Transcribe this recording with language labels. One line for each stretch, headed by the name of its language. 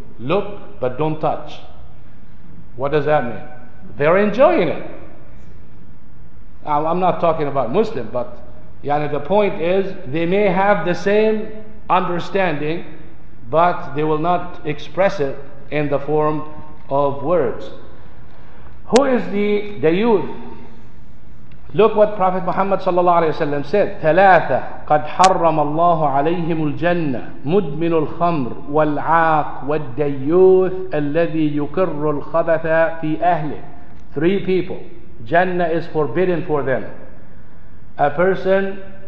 English: Look, but don't touch. What does that mean? They're enjoying it. I'm not talking about Muslim, but yani the point is, they may have the same understanding, but they will not express it in the form of words. Who is the youth? Look what Prophet Muhammad sallallahu alaihi wasallam said:
Arabic: ثلاثة قد حرم الله عليهم الجنة مدمن الخمر والعاق والديوث الذي يكر الخبث في أهله.
English: 3 people. Jannah is forbidden for them. A person